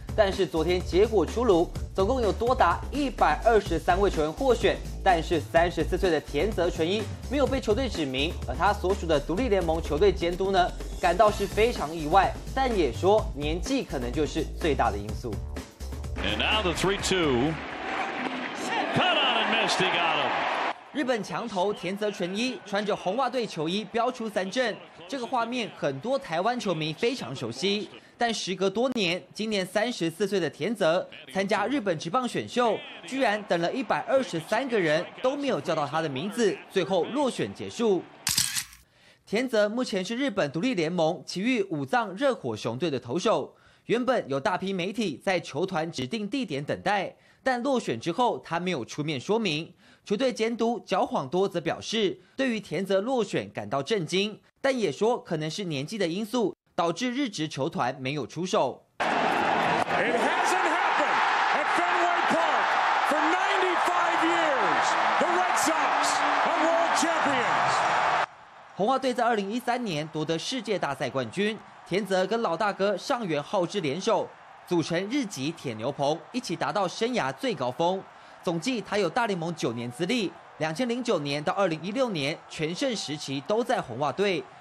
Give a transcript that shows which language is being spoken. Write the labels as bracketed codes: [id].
[zh] 但是昨天结果出炉，总共有多达123位球员获选，但是34岁的田泽纯一没有被球队指名，而他所属的独立联盟球队监督呢，感到是非常意外，但也说年纪可能就是最大的因素。 [en] And now the 3-2, cut on and missed, he got him. [zh] 日本强投田泽纯一穿着红袜队球衣飙出三振，这个画面很多台湾球迷非常熟悉。但时隔多年，今年34岁的田泽参加日本职棒选秀，居然等了123个人都没有叫到他的名字，最后落选结束。田泽目前是日本独立联盟埼玉武藏热火熊队的投手，原本有大批媒体在球团指定地点等待，但落选之后他没有出面说明。球队监督角晃多则表示，对于田泽落选感到震惊，但也说可能是年纪的因素导致日职球团没有出手。 [en] It hasn't happened at Fenway Park for 95 years. The Red Sox are world champions. [zh] 红袜队在2013年夺得世界大赛冠军，田泽跟老大哥上原浩治联手组成日籍铁牛棚，一起达到生涯最高峰。总计他有大联盟九年资历，2009年到2016年全盛时期都在红袜队。